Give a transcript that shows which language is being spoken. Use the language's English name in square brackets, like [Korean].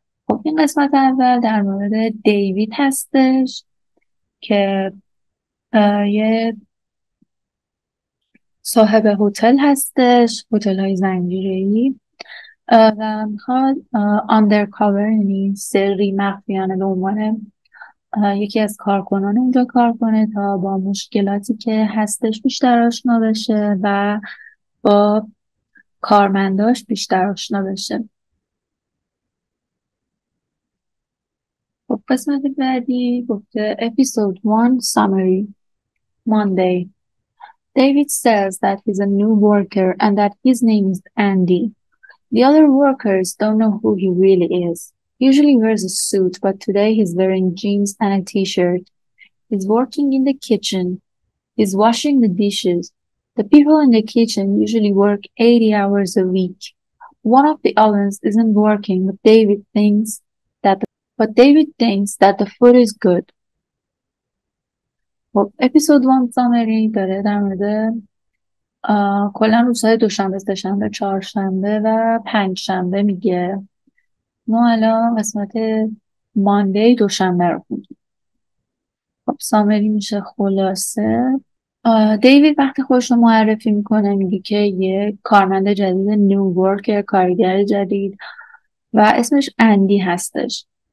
[Persian] خب این قسمت اول در مورد دیوید هستش که یه صاحب هتل هستش، هتل های زنجیره‌ای و میخواد undercover یعنی سری مخفیانه به عنوان یکی از کارکنان اونجا کار کنه تا با مشکلاتی که هستش بیشتر آشنا بشه و با کارمنداش بیشتر آشنا بشه. خب قسمت بعدی گفته اپیزود 1 سامری Monday. [English] David says that he's a new worker and that his name is Andy. The other workers don't know who he really is. Usually wears a suit, but today he's wearing jeans and a t-shirt. He's working in the kitchen. He's washing the dishes. The people in the kitchen usually work 80 hours a week. One of the ovens isn't working, but David thinks that the food is good. Well, episode 1 summary [Persian] داره در مورد کلا روزهای دوشنبه، سه‌شنبه، چهارشنبه و پنجشنبه میگه. ما الان قسمت ماندی دوشنبه رو خوندیم. خب سامری میشه خلاصه. دیوید وقتی خودش رو معرفی میکنه میگه که یه کارمند جدید نیو ورکر، کارگر جدید و اسمش اندی هستش.